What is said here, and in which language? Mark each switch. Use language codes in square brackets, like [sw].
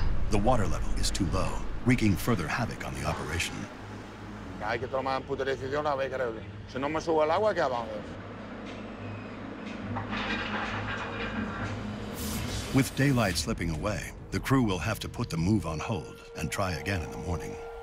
[en] The water level is too low, wreaking further havoc on the operation. [es] Hay que tomar una puta decisión a ver, creo. Si no me subo al agua, ¿qué vamos a ver? [en] With daylight slipping away, the crew will have to put the move on hold and try again in the morning.